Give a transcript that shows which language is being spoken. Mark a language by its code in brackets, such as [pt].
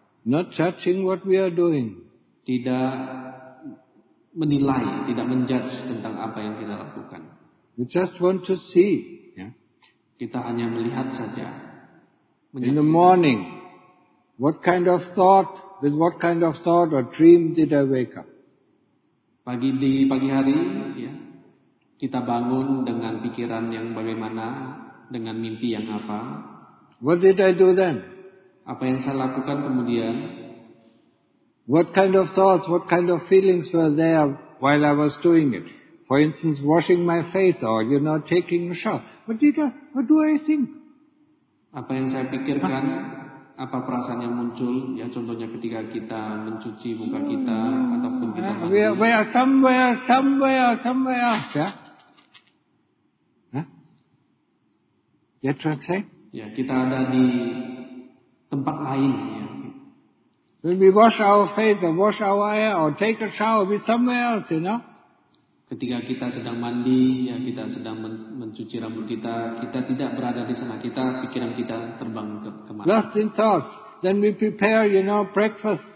[en] Not judging what we are doing. [id] Tidak menilai, tidak menjudge tentang apa yang kita lakukan. [en] We just want to see. [id] Yeah. Kita hanya melihat saja. [en] In the morning, what kind of thought, with what kind of thought or dream did I wake up? [id] Pagi hari, yeah, kita bangun dengan pikiran yang bagaimana, dengan mimpi yang apa. [en] What did I do then? [id] Apa yang saya lakukan kemudian? [en] What kind of thoughts, what kind of feelings were there while I was doing it? For instance, washing my face or, you know, taking a shower. What do I think? [id] Apa yang saya pikirkan, apa perasaan yang muncul, ya contohnya ketika kita mencuci muka kita, ataupun kita mandi. [en] We are somewhere else, ya. [id] Ya, translate? Ya, kita ada di tempat lain, ya. [en] When we wash our face, or wash our hair, or take a shower, we're somewhere else, you know. [id] Ketika kita sedang mandi, ya kita sedang mencuci rambut kita, kita tidak berada di sana, kita pikiran kita terbang ke mana? [en] Lost in thoughts. Then we prepare, you know, breakfast.